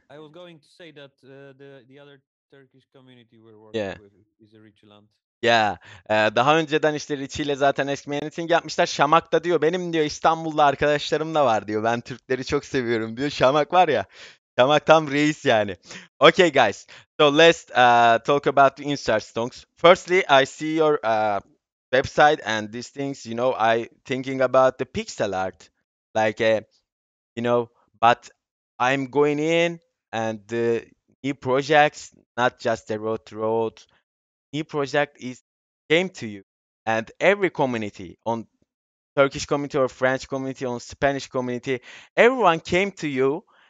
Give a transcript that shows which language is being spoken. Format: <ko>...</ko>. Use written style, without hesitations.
<en>I was going to say that the other Turkish community we're working with is Richland.</en> <tr>Yeah, daha önceden işte Rich ile zaten Ask me anything yapmışlar. Shamak da diyor, benim diyor İstanbul'da arkadaşlarım da var diyor. Ben Türkleri çok seviyorum diyor. Shamak var ya, Shamak tam reis yani.</tr> <en>Okay guys, so let's talk about the Insert Stonks. Firstly, I see your website and these things, you know, I thinking about the pixel art, like, you know, but I'm going in and the new projects, not just the road, new project is came to you and every community on Turkish community or French community on Spanish community, everyone came to you,</en>